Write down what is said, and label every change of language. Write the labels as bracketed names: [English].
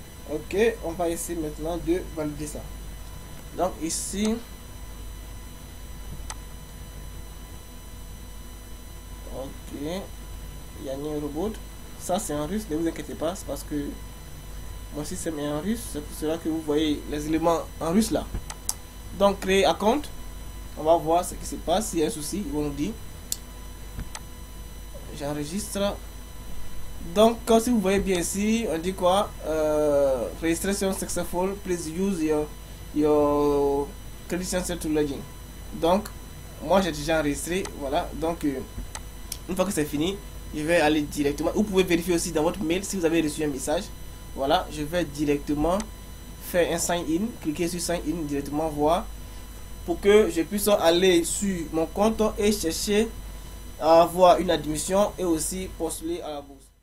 [French] Ok, on va essayer maintenant de valider ça. Donc ici, ok, Yannick Robot, ça c'est en russe, ne vous inquiétez pas, c'est parce que moi aussi c'est mis en russe, c'est pour cela que vous voyez les éléments en russe là. Donc créer un compte, on va voir ce qui se passe, s'il y a un souci, ils vont nous dire. J'enregistre. Donc, comme si vous voyez bien ici, on dit quoi? [English] Registration successful, please use your credentials to login. [French] Donc, moi j'ai déjà enregistré. Voilà. Donc, une fois que c'est fini, je vais aller directement. Vous pouvez vérifier aussi dans votre mail si vous avez reçu un message. Voilà. Je vais directement faire un sign-in. Cliquer sur sign-in directement, voir. Pour que je puisse aller sur mon compte et chercher à avoir une admission et aussi postuler à la bourse.